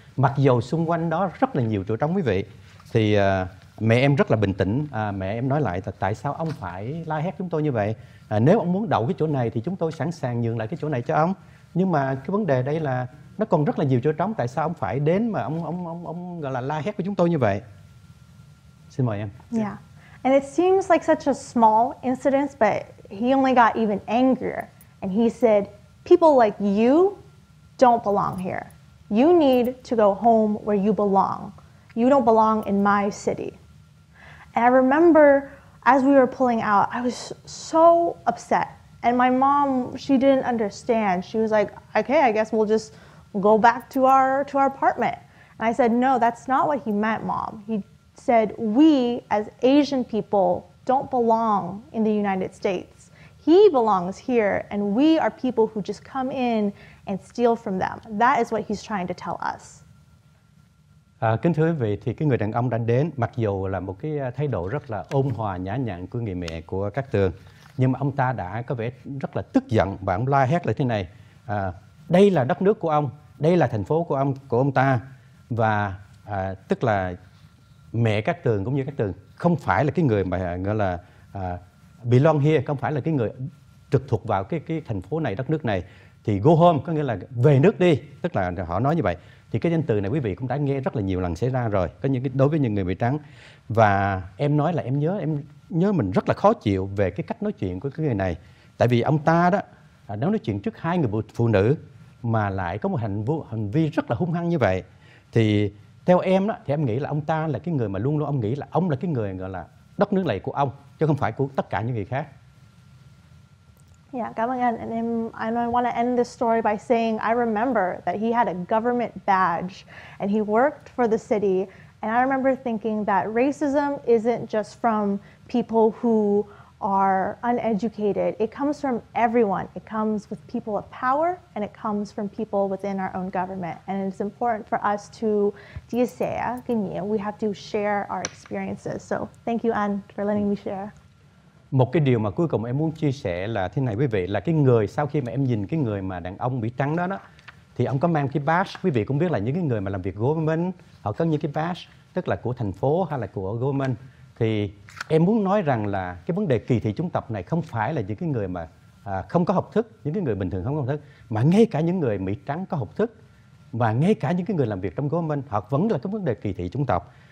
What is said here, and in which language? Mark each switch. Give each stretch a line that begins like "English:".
Vietnamese: Mặc dù xung quanh đó rất là nhiều chỗ trống quý vị, thì mẹ em rất là bình tĩnh, mẹ em nói lại là tại sao ông phải la hét chúng tôi như vậy, nếu ông muốn đậu cái chỗ này thì chúng tôi sẵn sàng nhường lại cái chỗ này cho ông, nhưng mà cái vấn đề đây là nó còn rất là nhiều chỗ trống, tại sao ông phải đến mà ông gọi là la hét với chúng tôi như vậy. Xin mời em. Yeah.
English: And it seems like such a small incident, but he only got even angrier and he said, "People like you don't belong here. You need to go home where you belong. You don't belong in my city." And I remember as we were pulling out, I was so upset. And my mom, she didn't understand. She was like, "Okay, I guess we'll just go back to our apartment." And I said, "No, that's not what he meant, Mom. He said, we as Asian people don't belong in the United States. He belongs here, and we are people who just come in and steal from them. That is what he's trying to tell us."
Vietnamese: Kính thưa quý vị, thì cái người đàn ông đã đến, mặc dù là một cái thái độ rất là ôn hòa nhã nhặn của người mẹ của Cát Tường, nhưng mà ông ta đã có vẻ rất là tức giận và ông la hét lại thế này. Đây là đất nước của ông, đây là thành phố của ông ta, và tức là mẹ Cát Tường cũng như Cát Tường không phải là cái người mà gọi là
English: belong here,
Vietnamese: không phải là cái người trực thuộc vào cái thành phố này, đất nước này, thì
English: go home
Vietnamese: có nghĩa là về nước đi, tức là họ nói như vậy. Thì cái danh từ này quý vị cũng đã nghe rất là nhiều lần xảy ra rồi, có những cái đối với những người Mỹ trắng. Và em nói là em nhớ mình rất là khó chịu về cái cách nói chuyện của cái người này, tại vì ông ta đó nếu nói chuyện trước hai người phụ nữ mà lại có một hành vi rất là hung hăng như vậy, thì theo em đó, thì em nghĩ là ông ta là cái người mà luôn luôn ông nghĩ là ông là cái người gọi là đất nước này của ông, chứ không phải của tất cả những người khác. Yeah, cảm ơn anh.
English: And I want to end this story by saying I remember that he had a government badge and he worked for the city. And I remember thinking that racism isn't just from people who are uneducated. It comes from everyone. It comes with people of power, and it comes from people within our own government. And it's important for us to diaseya kinh, we have to share our experiences. So thank you, Anne, for letting me share.
Vietnamese: Một cái điều mà cuối cùng em muốn chia sẻ là thế này quý vị, là cái người sau khi mà em nhìn cái người mà đàn ông bị trắng đó, thì ông có mang cái badge. Quý vị cũng biết là những cái người mà làm việc government, họ có những cái badge, tức là của thành phố hay là của government. Thì em muốn nói rằng là cái vấn đề kỳ thị chủng tộc này không phải là những cái người mà không có học thức, những cái người bình thường không có học thức, mà ngay cả những người Mỹ trắng có học thức, và ngay cả những cái người làm việc trong government, họ vẫn là cái vấn đề kỳ thị chủng tộc.